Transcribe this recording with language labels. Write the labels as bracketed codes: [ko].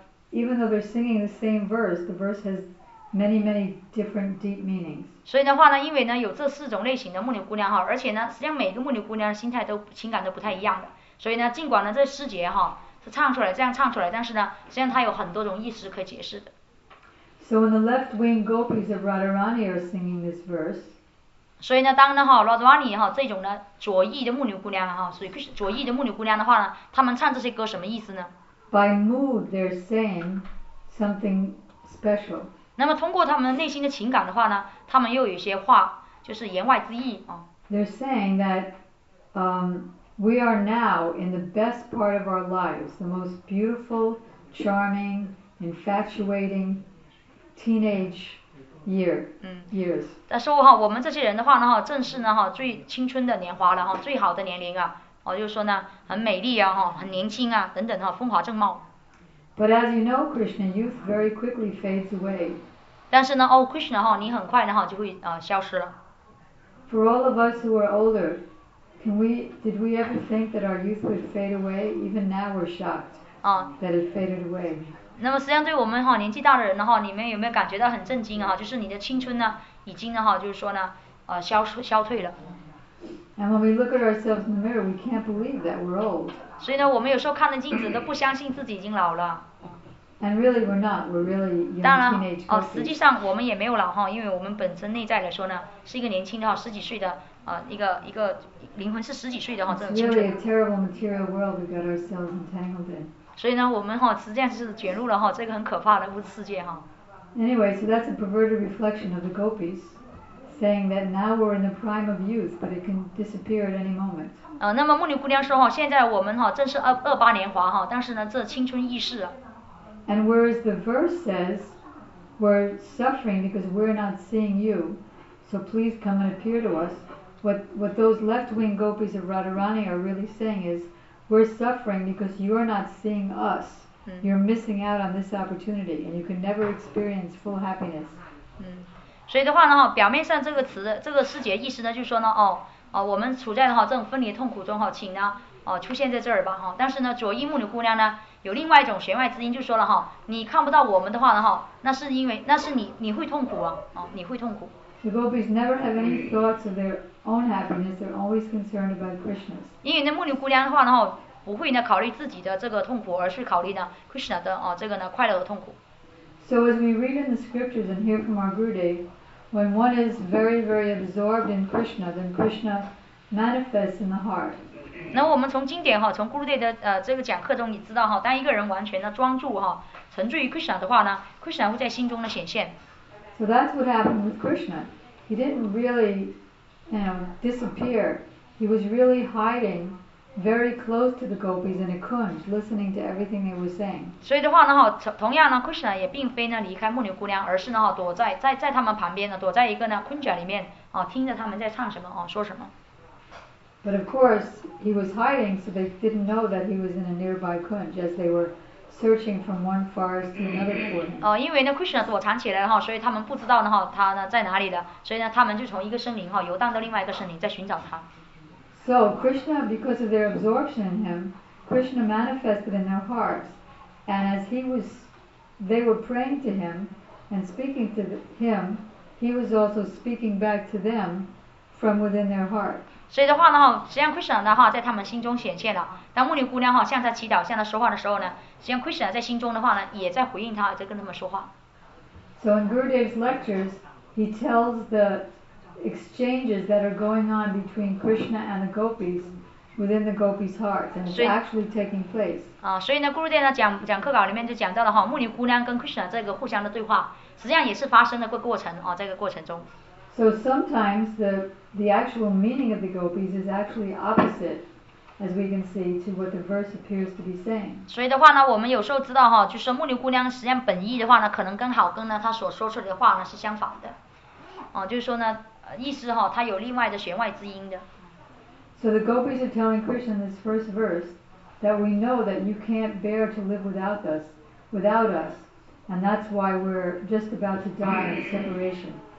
[en] Even though they're singing the same verse, the verse has many many different deep meanings. [zh] 所以的话呢，因为呢有这四种类型的牧牛姑娘哈，而且呢，实际上每个牧牛姑娘的心态都情感都不太一样的。所以呢，尽管呢这四节哈是唱出来这样唱出来，但是呢，实际上它有很多种意思可以解释的。 [en] So when the left wing gopis of Radharani are singing this verse. [zh] 所以呢，当呢哈 Radharani 哈这种呢左翼的牧牛姑娘哈，所以左翼的牧牛姑娘的话呢，他们唱这些歌什么意思呢 [en] ？By mood, they're saying something special. [zh] 那么通过他们内心的情感的话呢，他们又有些话，就是言外之意啊。 [en] They're saying that, we are now in the best part of our lives, the most beautiful, charming, infatuating teenage years. [zh] 嗯，但是哈，我们这些人的话呢，哈，正是呢哈最青春的年华了哈，最好的年龄啊，哦，就是说呢，很美丽啊，哈，很年轻啊，等等哈，风华正茂。 [en] But as you know, Krishna, youth very quickly fades away. [zh] 但是呢，哦，Krishna 哈，你很快呢哈就会消失了。 [en] For all of us who are older, did we ever think that our youth would fade away? Even now, we're shocked that it faded away. [zh] 那么实际上对我们哈年纪大的人呢哈，你们有没有感觉到很震惊哈？就是你的青春呢，已经呢哈，就是说呢，消退了。 [en] And when we look at ourselves in the mirror, we can't believe that we're old. [zh] 所以呢，我们有时候看着镜子都不相信自己已经老了。 [en] And really, we're not. We're really young teenage girls. [zh] 当然，哦，实际上我们也没有老哈，因为我们本身内在来说呢，是一个年轻的哈，十几岁的一个灵魂是十几岁的哈，这种青春。 [en] It's really a terrible material world we got ourselves entangled in. [zh] 所以呢，我们哈实际上是卷入了哈这个很可怕的物质世界哈。 [en] Anyway, so that's a perverted reflection of the gopis. Saying that now we're in the prime of youth, but it can disappear at any moment. [zh] 那么牧女姑娘说哈，现在我们哈正是二八年华哈，但是呢，这青春易逝。 [en] And whereas the verse says, we're suffering because we're not seeing you, so please come and appear to us. What those left-wing gopis of Radharani are really saying is, we're suffering because you're not seeing us. You're missing out on this opportunity, and you can never experience full happiness. [zh] 所以的话呢，表面上这个词，这个师姐意思呢，就是说呢，我们处在的话这种分离痛苦中哈，请呢，出现在这儿吧哈。但是呢，佐伊木女姑娘呢，有另外一种弦外之音，就说了哈，你看不到我们的话呢，哈，那是因为那是你会痛苦啊，你会痛苦。 [en] The gopis never have any thoughts of their own happiness. They're always concerned about Krishna's. [zh] 因为那木女姑娘的话呢，不会呢考虑自己的这个痛苦，而是考虑呢 Krishna 的这个呢快乐的痛苦。 [en] So as we read in the scriptures and hear from our Gurudev, when one is very, very absorbed in Krishna, then Krishna manifests in the heart. [zh] 那我们从经典哈，从 Gurudev 的这个讲课中，你知道哈，当一个人完全的专注哈，沉醉于 Krishna 的话呢 ，Krishna 会在心中的显现。 [en] So that's what happened with Krishna. He didn't really, disappear. He was really hiding. Very close to the gopis in a kunj, listening to everything they were saying. [zh] 所以的话呢，同样呢 ，Krishna 也并非呢离开牧牛姑娘，而是呢躲在他们旁边呢，躲在一个呢 kunj 里面啊，听着他们在唱什么啊，说什么。 [en] But of course, he was hiding, so they didn't know that he was in a nearby kunj as they were searching from one forest to another for him. [zh] 因为呢 ，Krishna 躲藏起来了哈，所以他们不知道呢哈他呢在哪里的，所以呢他们就从一个森林哈游荡到另外一个森林在寻找他。 [en] So Krishna, because of their absorption in him, Krishna manifested in their hearts. And as they were praying to him and speaking to him, he was also speaking back to them from within their heart. [zh] 所以的话呢，实际上 Krishna 的话在他们心中显现了。当牧女姑娘哈向他祈祷、向他说话的时候呢，实际上 Krishna 在心中的话呢也在回应他，在跟他们说话。 [en] So in Gurudev's lectures, he tells theExchanges that are going on between Krishna and the gopis within the gopis' hearts, and it's actually taking place. [zh] 所以呢 ，Gurudev 呢讲课稿里面就讲到了哈，牧女姑娘跟 Krishna 这个互相的对话，实际上也是发生的过程啊，这个过程中。 [en] So sometimes the actual meaning of the gopis is actually opposite, as we can see, to what the verse appears to be saying. [zh] 所以的话呢，我们有时候知道哈，就是牧女姑娘实际上本意的话呢，可能跟好跟呢她所说出来的话呢是相反的。就是说呢，意思哈，它有另外的弦外之音的。 [en] So the gopis are telling Krishna this first verse that we know that you can't bear to live without us, and that's why we're just about to die in separation.